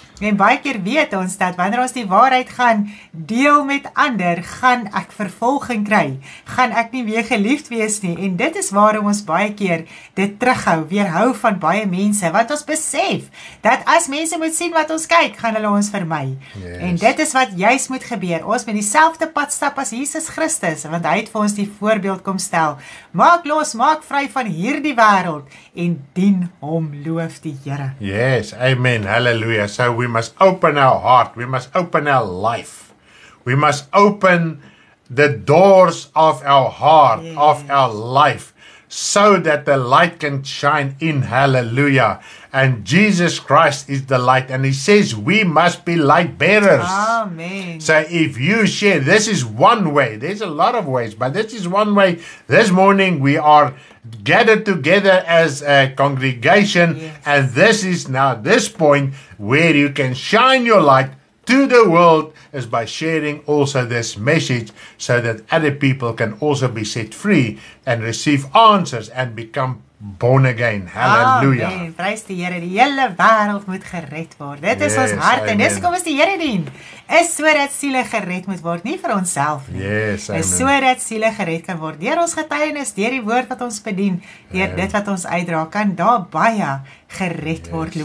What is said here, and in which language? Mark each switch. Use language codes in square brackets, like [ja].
[af] En baie keer weet ons dat wanneer ons die waarheid gaan deel met ander, gaan ek vervolging kry, gaan ek nie meer geliefd wees nie, en dit is waarom ons baie keer dit terughou, weerhou van baie mense, want ons besef, dat as mense moet sien wat ons kyk, gaan hulle ons vermy, [en] yes. [af] En dit is wat juist moet gebeur, ons met dieselfde pad stap as Jesus Christus, want hy het vir ons die voorbeeld kom stel, maak los, maak vry van hierdie wêreld, en dien hom, loof die Here. [en] Yes, amen, hallelujah, so we must open our heart, we must open our life, we must open the doors of our heart, yes, of our life, so that the light can shine in, hallelujah. And Jesus Christ is the light, and he says we must be light bearers. Amen. So if you share, this is one way, there's a lot of ways, but this is one way. This morning we are gathered together as a congregation, yes, and this is now this point where you can shine your light to the world is by sharing also this message, so that other people can also be set free and receive answers and become born again. Hallelujah. Amen. [af] Prys die Here, die hele wêreld moet gered word. Dit is [en] yes, [af] ons hart, amen. En dis kom ons die Here dien. Is sodat siele gered moet word, nie vir onsself nie. [en] Yes, amen. [af] Is sodat siele gered kan word deur ons getuienis, deur die woord wat ons bedien, deur dit wat ons uitdra, kan daar baie gered word,